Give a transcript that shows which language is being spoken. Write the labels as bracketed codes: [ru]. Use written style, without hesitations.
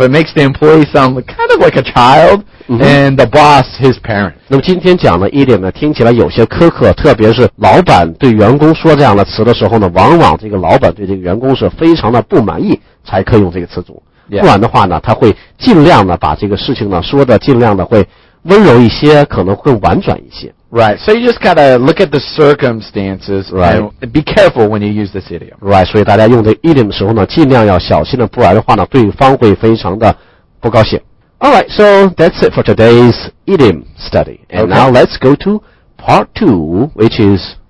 [en] It makes the employee sound kind of like a child, and the boss his parent. [zh] 那么今天讲的 idiom 呢，听起来有些苛刻，特别是老板对员工说这样的词的时候呢，往往这个老板对这个员工是非常的不满意，才可以用这个词组。 [en] Yeah. [zh] 不然的话呢，他会尽量的把这个事情呢说的尽量的会温柔一些，可能会婉转一些。 [en] Right, so you just gotta look at the circumstances, right? And be careful when you use this idiom. [zh] Right, 所以大家用这 idiom 的时候呢，尽量要小心的，不然的话呢，对方会非常的不高兴。 [en] All right, so that's it for today's idiom study. And okay. Now let's go to part two, which is.